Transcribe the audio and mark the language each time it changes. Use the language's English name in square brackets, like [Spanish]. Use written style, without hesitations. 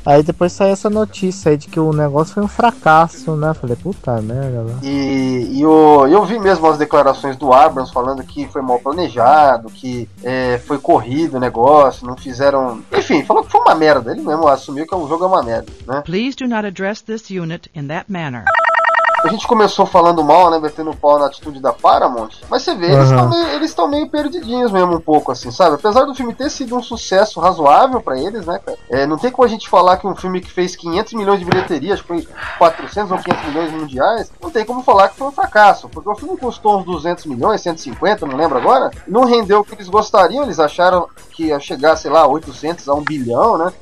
[Portuguese] Aí depois saiu essa notícia aí de que o negócio foi um fracasso, né? Falei, puta merda. E eu vi mesmo as declarações do Abrams falando que foi mal planejado, que foi corrido o negócio, não fizeram... Enfim, falou que foi uma merda. Ele mesmo assumiu que o jogo é uma merda, né? [English] Please do not address this unit in that manner. [Portuguese] A gente começou falando mal, né, metendo pau na atitude da Paramount, mas você vê, eles estão meio perdidinhos mesmo um pouco, assim, sabe? Apesar do filme ter sido um sucesso razoável pra eles, né, cara? Não tem como a gente falar que um filme que fez 500 milhões de bilheterias, acho que foi 400 ou 500 milhões mundiais, não tem como falar que foi um fracasso, porque o filme custou uns 200 milhões, 150, não lembro agora, não rendeu o que eles gostariam, eles acharam que ia chegar, sei lá, 800 a 1 bilhão, né?